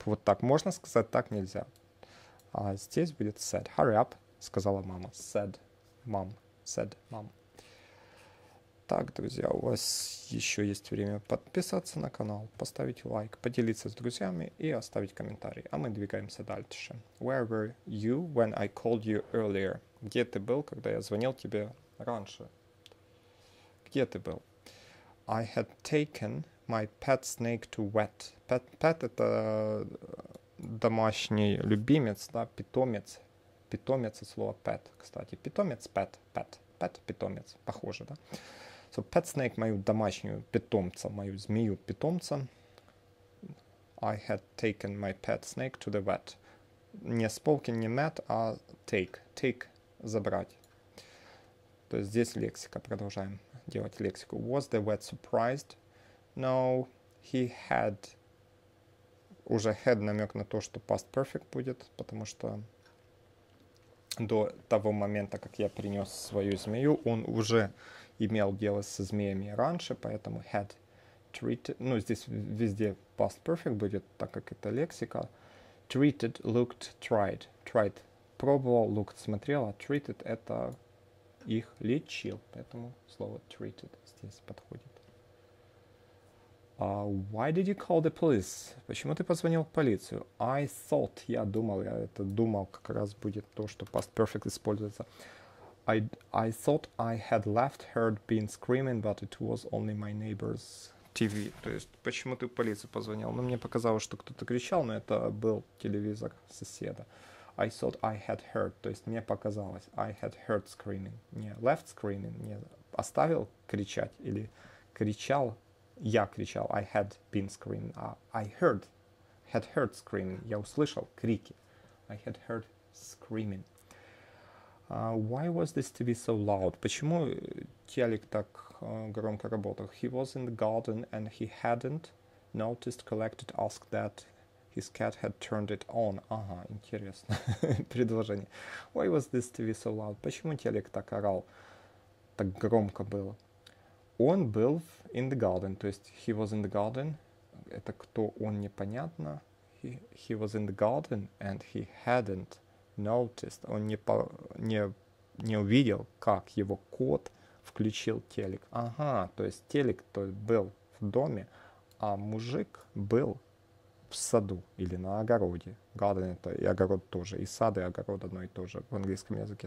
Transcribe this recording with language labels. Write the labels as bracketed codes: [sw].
[ru] Вот так можно сказать, так нельзя. А здесь будет [en] said. Hurry up. [ru] Сказала мама. [en] Said mom. Said mom. [ru] Так, друзья, у вас еще есть время подписаться на канал, поставить лайк, поделиться с друзьями и оставить комментарий. А мы двигаемся дальше. [en] Where were you when I called you earlier? [ru] Где ты был, когда я звонил тебе раньше? Где ты был? [en] I had taken my pet snake to wet. [ru] Pet это домашний любимец, да, питомец. Питомец и слово pet, кстати. Питомец, pet. Pet, питомец, похоже, да? [en] So, pet snake, [ru] мою домашнюю питомца, мою змею питомца. [en] I had taken my pet snake to the vet. [ru] Не spoken, не met, а take. Take, забрать. То есть здесь лексика, продолжаем делать лексику. [en] Was the vet surprised? No, he had. [ru] Уже had намек на то, что past perfect будет, потому что до того момента, как я принес свою змею, он уже имел дело со змеями раньше, поэтому had treated, ну, здесь везде past perfect будет, так как это лексика. Treated, looked, tried. Tried, пробовал, looked, смотрел, а treated это их лечил. Поэтому слово treated здесь подходит. [en] Why did you call the police? [ru] Почему ты позвонил в полицию? [en] I thought, [ru] я думал, я это думал, как раз будет то, что past perfect используется. [en] I thought I had left, heard been screaming, but it was only my neighbor's TV. [ru] То есть, почему ты в полицию позвонил? Ну, мне показалось, что кто-то кричал, но это был телевизор соседа. [en] I thought I had heard, [ru] то есть, мне показалось. [en] I had heard screaming. [ru] Не, [en] left screaming, [ru] не, оставил кричать или кричал, я кричал. [en] I had been screaming. I heard, had heard screaming. [ru] Я услышал крики. [en] I had heard screaming. Why was this TV so loud? [ru] Почему телек так громко работал? [en] He was in the garden and he hadn't noticed, collected, asked that his cat had turned it on. [ru] Ага, интересно. Предложение. [en] Why was this TV so loud? [ru] Почему телек так орал? Так громко было. Он был [en] in the garden. [ru] То есть, [en] he was in the garden. [ru] Это кто он, непонятно. [en] He was in the garden and he hadn't noticed. [ru] Он не увидел, как его кот включил телек. Ага, то есть телек то был в доме, а мужик был в саду или на огороде. Garden это и огород тоже, и сад, и огород одно и то же в английском языке.